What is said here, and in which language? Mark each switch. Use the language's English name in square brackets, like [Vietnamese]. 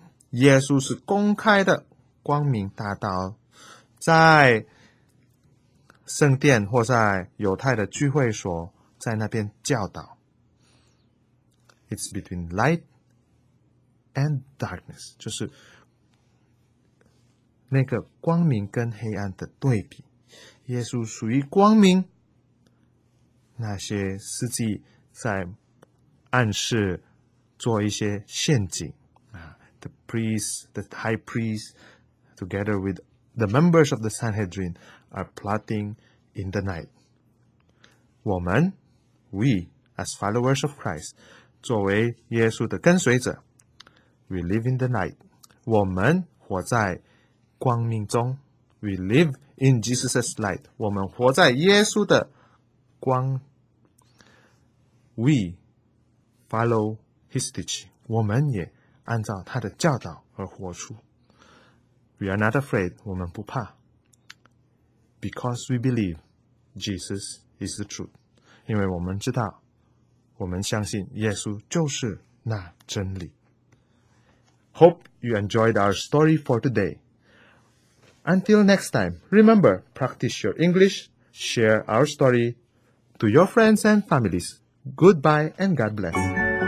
[Chinese] 耶稣是公开的。光明大道，在圣殿或在犹太的聚会所，在那边教导。 [English] It's between light and darkness， [Chinese] 就是那个光明跟黑暗的对比。耶稣属于光明，那些司祭在暗示做一些陷阱。 [English] The priest, the high priest。 Together with the members of the Sanhedrin are plotting in the night。 We as followers of Christ， [Chinese] 作为耶稣的跟随者， [English] We live in the night， [Chinese] 我们活在光明中。 [English] We live in Jesus' light， [Chinese] 我们活在耶稣的光。 [English] We follow his teaching， [Chinese] 我们也按照他的教导而活出。 [English] We are not afraid， [Chinese] 我们不怕。 [English] Because we believe Jesus is the truth， [Chinese] 因为我们知道，我们相信耶稣就是那真理。 [English] Hope you enjoyed our story for today. Until next time, remember, practice your English, share our story to your friends and families. Goodbye and God bless.